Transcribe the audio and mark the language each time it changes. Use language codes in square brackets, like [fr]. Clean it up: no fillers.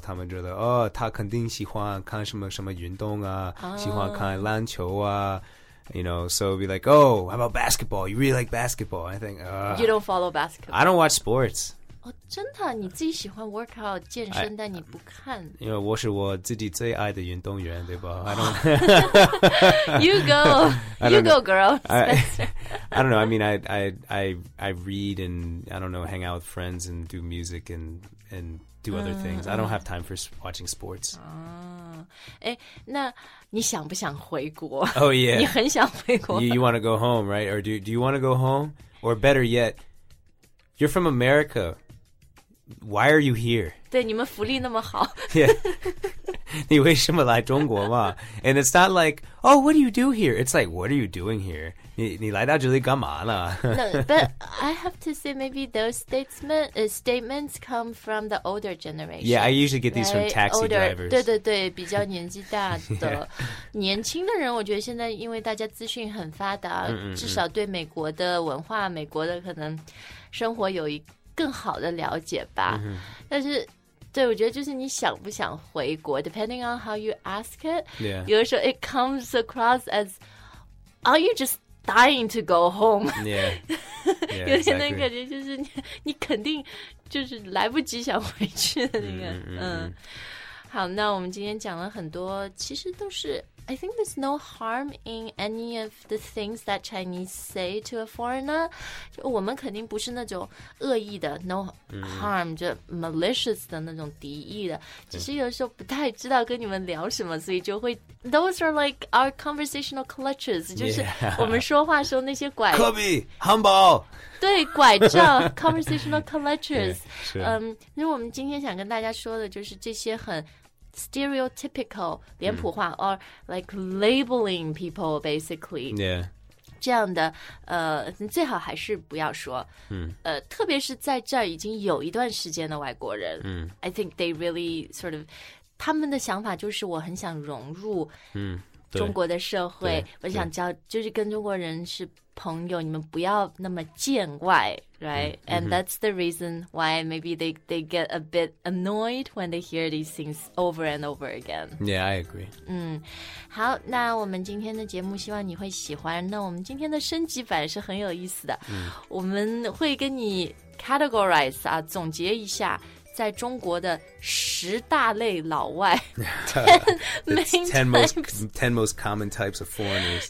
[zh] 他们觉得，哦，他肯定喜欢看什么运动啊，喜欢看篮球啊。 [en] You know, so it'd be like, oh, how about basketball? You really like basketball. I think, You don't follow basketball. I don't watch sports. [zh] Oh, 真的？你自己喜欢 workout 健身，但你不看？因为我是我自己最爱的运动员，对吧？ [en] I don't. You go. You go, girl. I don't know. I mean, I read and I don't know, hang out with friends and do music and do other things. I don't have time for watching sports. [zh] 哎，那你想不想回国？ [en] Oh yeah. [zh] 你很想回国。 [en] You want to go home, right? Or do you want to go home? Or better yet. You're from America. Why are you here? [zh] 对，你们福利那么好。 Yeah. 你为什么来中国嘛? [en] And it's not like, oh, what do you do here? It's like, what are you doing here? [zh] 你来到这里干嘛呢? [en] No, but I have to say maybe those statements come from the older generation. Yeah, I usually get these from taxi drivers. [zh] 对对对，比较年纪大的。年轻的人，我觉得现在因为大家资讯很发达，至少对美国的文化，美国的可能生活有一更好的了解吧、mm-hmm. 但是对我觉得就是你想不想回国 [en] depending on how you ask it、 yeah. [zh] 有的时候 [en] it comes across as are you just dying to go home yeah. Yeah, [zh] 有点那感觉就是 你肯定就是来不及想回去的那个、mm-hmm. 嗯，好那我们今天讲了很多其实都是 [en] I think there's no harm in any of the things that Chinese say to a foreigner. [zh] 我们肯定不是那种恶意的 [en] no harm,、 [zh] mm-hmm. 就 malicious 的那种敌意的。只是有时候不太知道跟你们聊什么，所以就会 [en] those are like our conversational clutches,、 yeah. [zh] 就是我们说话时候那些拐。科比，汉堡。对，拐杖 [en] conversational clutches. 嗯、 yeah, sure. ， [zh] 那我们今天想跟大家说的就是这些很。 [en] Stereotypical [zh] 脸谱化、 [en] mm. or like labeling people basically yeah [zh] 这样的你最好还是不要说、mm. 特别是在这儿已经有一段时间的外国人、 mm. [en] I think they really sort of [zh] 他们的想法就是我很想融入、 mm. 中国的社会我想交就是跟中国人是朋友你们不要那么见外 right、mm-hmm. [en] and that's the reason why maybe they get a bit annoyed when they hear these things over and over again yeah I agree [zh] 嗯，好那我们今天的节目希望你会喜欢那我们今天的升级版是很有意思的、 mm. 我们会跟你 categorize 啊，总结一下在中国的十大类老外 [en] ten most common types of foreigners